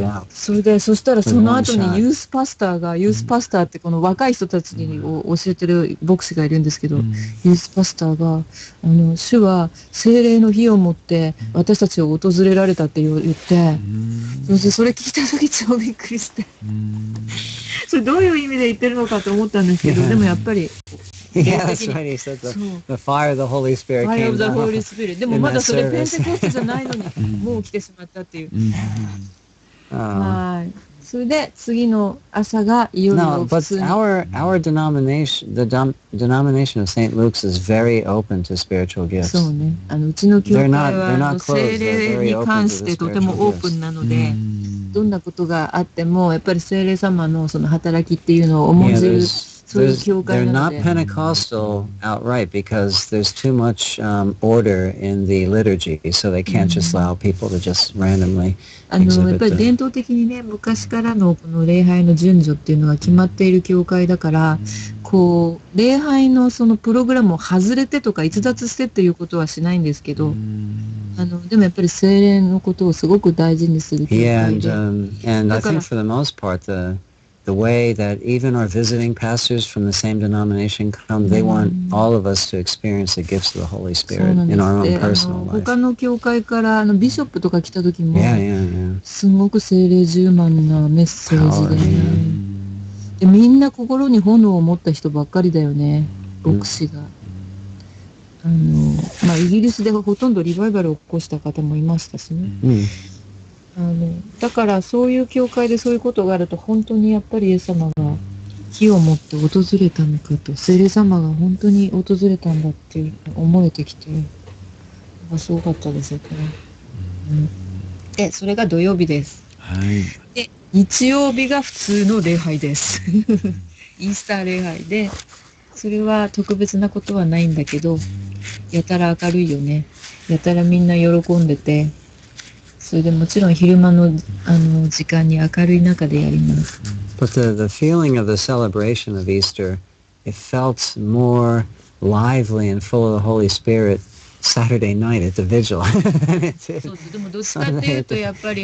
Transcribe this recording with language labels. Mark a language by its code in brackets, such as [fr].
[ja] それで、そしたらその後にユースパスターが、ユースパスターってこの若い人たちに教えてる牧師がいるんですけど、ユースパスターが、あの、主は聖霊の火を持って私たちを訪れられたって言って、そしてそれ聞いた時超びっくりしてそれどういう意味で言ってるのかと思ったんですけど、でもやっぱり、 [en] Yeah, that's right. He said the fire of the Holy Spirit came down. Fire of the Holy Spirit. [ja] でもまだそれペンテコステじゃないのに、もう来てしまったっていう。まあ、それで次の朝がいよいよ普通に。 [en] No, but our denomination, the denomination of St. Luke's is very open to spiritual gifts. [ja] そうね。あの、うちの教会は、あの、聖霊に関してとてもオープンなので、どんなことがあっても、やっぱり聖霊様のその働きっていうのを重んじる。 [en] They're not Pentecostal outright because there's too much order in the liturgy, so they can't just allow people to just randomly exhibit the... [ja] やっぱり伝統的にね、昔からのこの礼拝の順序っていうのが決まっている教会だから、こう礼拝のそのプログラムを外れてとか逸脱してっていうことはしないんですけど、でもやっぱり聖霊のことをすごく大事にする教会で、 [en] and I think for the most part the way that even our visiting pastors from the same denomination come, they want all of us to experience the gifts of the Holy Spirit in our own personal life. [ja] 他の教会からビショップとか来た時も、 [en] yeah. [ja] すごく聖霊充満なメッセージで、でみんな心に炎を持った人ばっかりだよね、牧師が。イギリスではほとんどリバイバルを起こした方もいましたしね。だからそういう教会でそういうことがあると本当にやっぱりイエス様が火を持って訪れたのかと、聖霊様が本当に訪れたんだっていうのを思えてきて、すごかったですよね。で、それが土曜日です。はい。で、日曜日が普通の礼拝です。イースター礼拝で、それは特別なことはないんだけど、やたら明るいよね。やたらみんな喜んでて、それでもちろん昼間の時間に明るい中でやります。 [en] But the feeling of the celebration of Easter, it felt more lively and full of the Holy Spirit Saturday night at the vigil. [ja] そうです。でもどっちかというとやっぱり